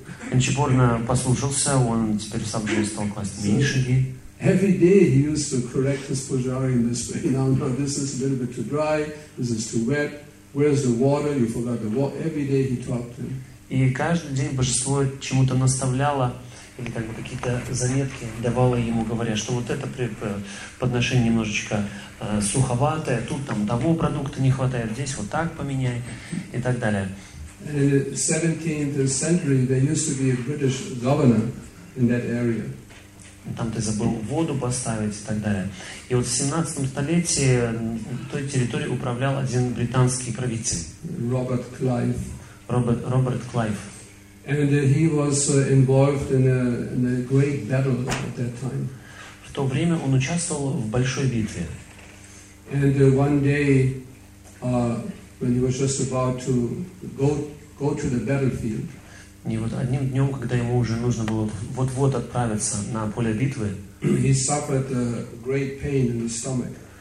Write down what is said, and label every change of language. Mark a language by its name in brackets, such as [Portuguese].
[Russian] Канчипурна послушался, он теперь сам же стал класть меньше ги. [English] Every day he used to correct his pujari in this way. No, this is a little bit too dry, this is too wet, where's the water, you forgot the water. Every day he talked to him. [Russian] И каждый день божество чему-то наставляло, или как бы какие-то заметки давало ему, говоря, что вот это подношение немножечко суховатое, тут там того продукта не хватает, здесь вот так поменяй, и так далее. [English] And in the 17th century, there used to be a British governor in that area. [Russian] Там ты забыл воду поставить, и так далее. И вот в 17-м столетии той территорией управлял один британский правитель. Роберт Клайв. Роберт Клайв. [English] And he was involved in a great battle at that time. [Russian] В то время он участвовал в большой битве. [English] And one day, when he was just about to go to the battlefield. [Russian] И вот одним днем, когда ему уже нужно было вот-вот отправиться на поле битвы, [English] he suffered a great pain in the stomach.